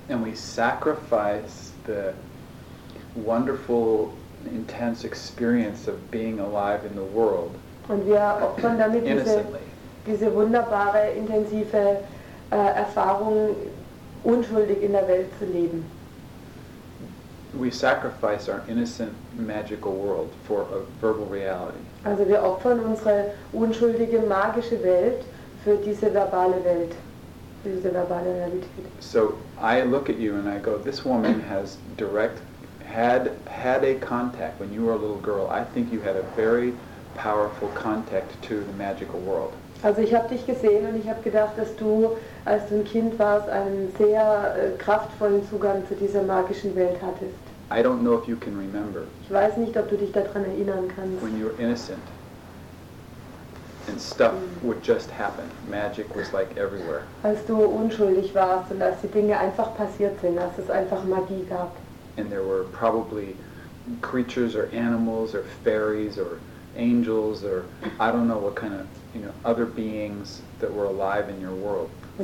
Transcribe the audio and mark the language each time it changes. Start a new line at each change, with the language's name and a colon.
English: And we sacrifice the wonderful, intense experience of being alive in the world.
German: Und wir opfern damit diese wunderbare, intensive Erfahrung, unschuldig in der Welt zu leben.
English: We sacrifice our innocent, magical world for a verbal reality.
German: Also wir opfern unsere unschuldige, magische Welt für diese verbale Welt, für diese verbale Realität.
English: So I look at you and I go, this woman has direct, had a contact when you were a little girl. I think you had a very powerful contact to the magical world.
German: Also ich habe dich gesehen und ich habe gedacht, dass du, als du ein Kind warst, einen sehr kraftvollen Zugang zu dieser magischen Welt hattest.
English: I don't know if you can remember.
German: Ich weiß nicht, ob du dich daran erinnern kannst.
English: When you were innocent and stuff would just happen. Magic was like everywhere.
German: Als du unschuldig warst und als die Dinge einfach passiert sind, als es einfach Magie gab.
English: And there were probably creatures or animals or fairies or angels or I don't know what kind of, you know, other beings that were alive in your world for